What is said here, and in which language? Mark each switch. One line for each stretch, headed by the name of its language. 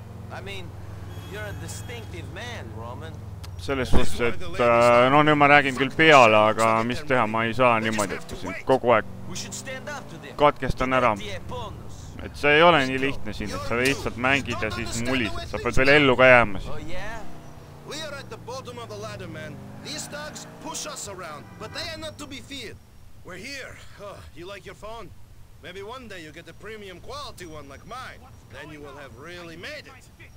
English: I mean, you're a distinctive man, Roman.
Estonian: Selles suhtes, et no nüüd ma räägin küll peale, aga mis teha, ma ei saa niimoodi, et siin kogu aeg katkestan ära. Et see ei ole nii lihtne siin, et sa lihtsalt mängid ja siis mulis, et sa pead veel ellu ka jääma siin.
English: Oh yeah? We are at the bottom of the ladder, man. These dogs push us around, but they are not to be feared. We're here. Oh, you like your phone? Maybe one day you get a premium quality one like mine. Then you will have really made it.